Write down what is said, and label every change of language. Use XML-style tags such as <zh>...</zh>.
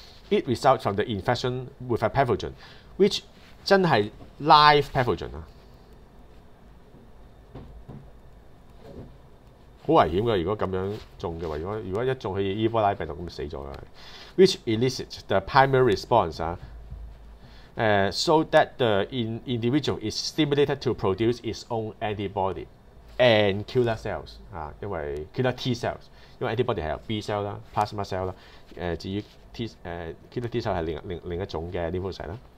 <en>It results from the infection with a pathogen， which</en> <yue>真係 live pathogen 啊，好危險噶！如果咁樣中嘅話，如果一中起伊波拉病毒咁死咗啦。</yue> <en>Which elicits the primary response, so that the individual is stimulated to produce its own antibody and killer cells, killer T cells, because antibody is B cell, plasma cell, killer T cell is</en> <yue>另一種的</yue> <en>lymphocyte.</en>